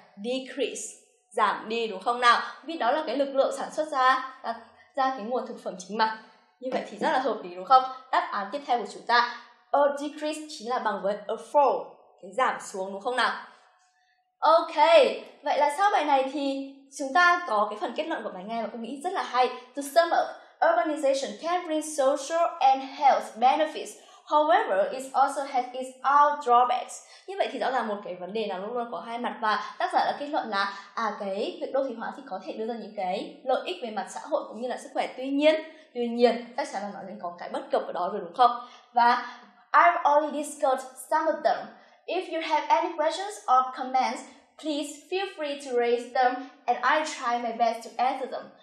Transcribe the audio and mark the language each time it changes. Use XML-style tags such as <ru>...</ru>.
<vi>Decrease, giảm đi đúng không nào? Vì đó là cái lực lượng sản xuất ra cái nguồn thực phẩm chính mà. Như vậy thì rất là hợp lý đúng không? Đáp án tiếp theo của chúng ta,</vi> <en>a decrease</en> <vi>chính là bằng với</vi> <en>a fall,</en> <vi>cái giảm xuống đúng không nào? Ok, vậy là sau bài này thì chúng ta có cái phần kết luận của bài nghe mà cũng nghĩ rất là hay.</vi> <en>To sum up, urbanization can bring social and health benefits. However, it also has its own drawbacks.</en> <vi>Như vậy thì rõ ràng một cái vấn đề là luôn luôn có hai mặt, và tác giả đã kết luận là cái việc đô thị hóa thì có thể đưa ra những cái lợi ích về mặt xã hội cũng như là sức khỏe. Tuy nhiên, tác giả đã nói đến có cái bất cập ở đó rồi đúng không?</vi> <en>Và I've already discussed some of them. If you have any questions or comments, please feel free to raise them and I try my best to answer them.</en>